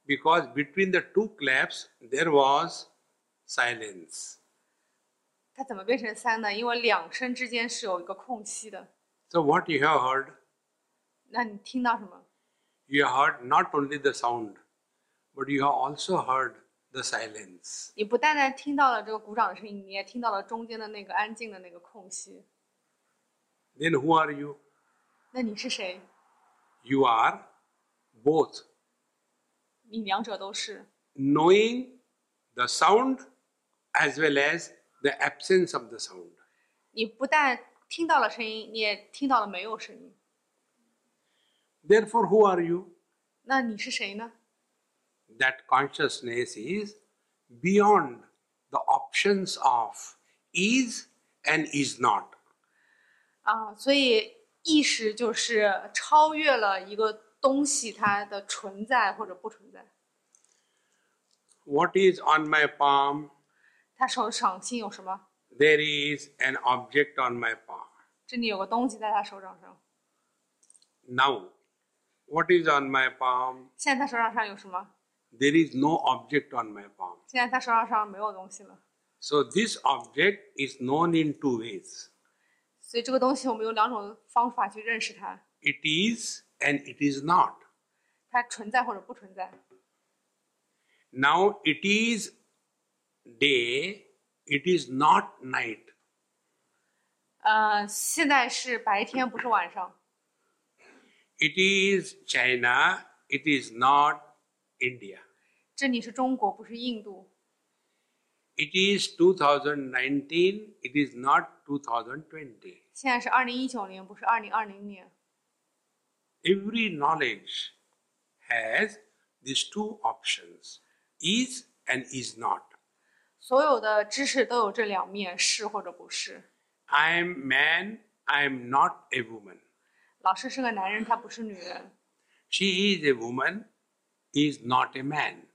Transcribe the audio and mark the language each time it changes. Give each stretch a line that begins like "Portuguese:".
English: ？Because between the two claps, there was silence.
Chinese: 它怎么变成三呢？因为两声之间是有一个空隙的。
English: So what you have heard?
Chinese: 那你听到什么
English: ？You heard not only the sound, but you have also heard the silence.
Chinese: 你不单单听到了这个鼓掌的声音，你也听到了中间的那个安静的那个空隙。
English: Then who are you?
Chinese: 那你是谁
English: ？You are both.
Chinese: 你两者都是。
English: Knowing the sound as well as The absence of the sound.
Chinese: 你不但听到了声音，你也听到了没有声音。
English: Therefore, who are you?
Chinese: 那你是谁呢？
English: That consciousness is beyond the options of is and is not.
Chinese: 所以意识就是超越了一个东西它的存在或者不存在。
English: What is on my palm?
Chinese: 他手掌心有什么
English: ？There is an object on my palm.
Chinese: 这里有个东西在他手掌上。
English: Now, what is on my palm?
Chinese: 现在他手掌上有什么
English: ？There is no object on my palm.
Chinese: 现在他手掌上没有东西了。
English: So this object is known in two ways.
Chinese: 所以这个东西我们有两种方法去认识它。
English: It is and it is not.
Chinese: 它存在或者不存在。
English: Now it is. Day, it is not night.
Chinese: 现在是白天，不是晚上。
English: It is China, it is not India.
Chinese: 这里是中国, 不是印度。
English: It is 2019, it is not 2020.
Chinese: 现在是2019年, 不是2020年。
English: Every knowledge has these two options, is and is not.
Chinese: 所有的知识都有这两面, 是或者不是。
English: I am man, I am not a woman.
Chinese: 老师是个男人, 她不是女人。
English: She is a woman, is not a man.